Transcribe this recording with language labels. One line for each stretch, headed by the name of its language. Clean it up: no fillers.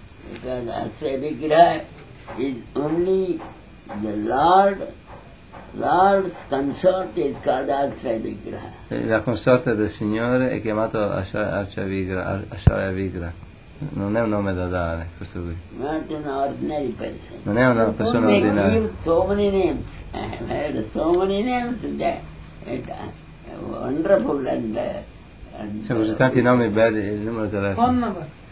English: Because Ashwavigraha is only the Lord's consort is called Ashwavigraha.
Italian: La consorte del Signore è chiamato Ashwavigraha. Non è un nome da dare, questo qui.
English: Not an ordinary person.
Italian: Non è una persona ordinaria.
English: You give so many names. I have heard so many names that it's wonderful and
Italian: sono tanti nomi belli, il numero di telefono.